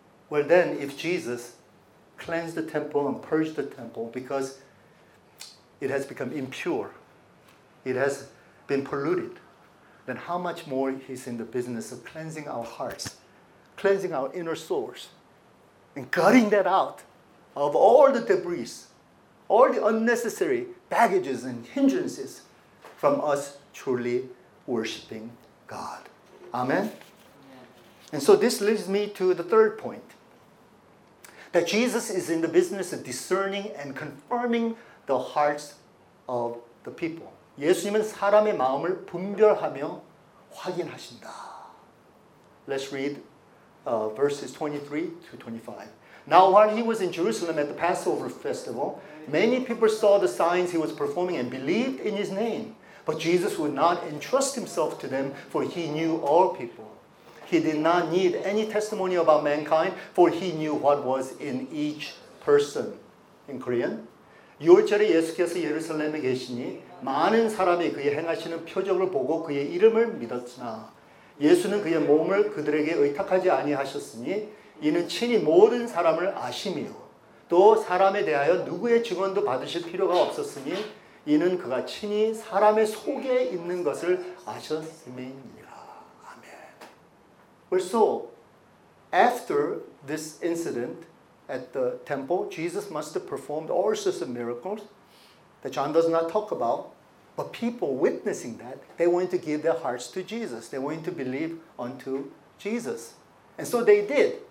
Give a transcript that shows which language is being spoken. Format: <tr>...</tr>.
<en>Well, then, if Jesus cleansed the temple and purged the temple because it has become impure, it has been polluted, then how much more he's in the business of cleansing our hearts, cleansing our inner souls, and gutting that out of all the debris, all the unnecessary baggages and hindrances from us truly worshiping God. Amen? And so this leads me to the third point, that Jesus is in the business of discerning and confirming the hearts of the people.</en> <ko>예수님은 사람의 마음을 분별하며 확인하신다.</ko> <en>Let's read verses 23 to 25. Now while he was in Jerusalem at the Passover festival, many people saw the signs he was performing and believed in his name. But Jesus would not entrust himself to them, for he knew all people. He did not need any testimony about mankind, for he knew what was in each person. In Korean,</en> <ko>유월절에 예수께서 예루살렘에 계시니 많은 사람이 그의 행하시는 표적을 보고 그의 이름을 믿었으나 예수는 그의 몸을 그들에게 의탁하지 아니하셨으니 이는 친히 모든 사람을 아심이요 또 사람에 대하여 누구의 증언도 받으실 필요가 없었으니 이는 그가 친히 사람의 속에 있는 것을 아셨음이니라. 아멘.</ko> <en>Well, so after this incident at the temple, Jesus must have performed all sorts of miracles that John does not talk about. But people witnessing that, they wanted to give their hearts to Jesus. They wanted to believe unto Jesus. And so they did.</en>